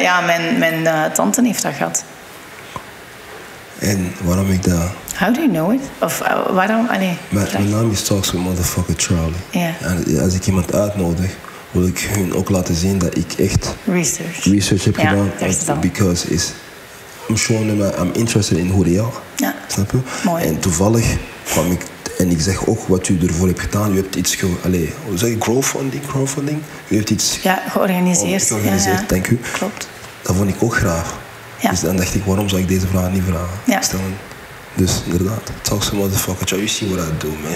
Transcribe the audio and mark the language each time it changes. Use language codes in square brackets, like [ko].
[nl] Ja, mijn tante heeft dat gehad. En waarom ik dat... [en] How do you know it? [nl] Of waarom? Allee, mijn naam is Talks with Motherfucker Charlie. [en] Yeah. [nl] En als ik iemand uitnodig, wil ik hun ook laten zien dat ik echt... Research heb gedaan. [en] Yeah, because it's... I'm showing them I'm interested in who they are. Yeah. [nl] Snap je? Mooi. En toevallig kwam ik... En ik zeg ook wat u ervoor hebt gedaan. U hebt iets... hoe zeg je? Crowdfunding? U hebt iets... Ja, georganiseerd. Dank u. Klopt. Dat vond ik ook graag. Ja. Dus dan dacht ik, waarom zou ik deze vraag niet vragen? Ja. Stellen. Dus inderdaad, [en] talk some motherfucker. You see what I do, man.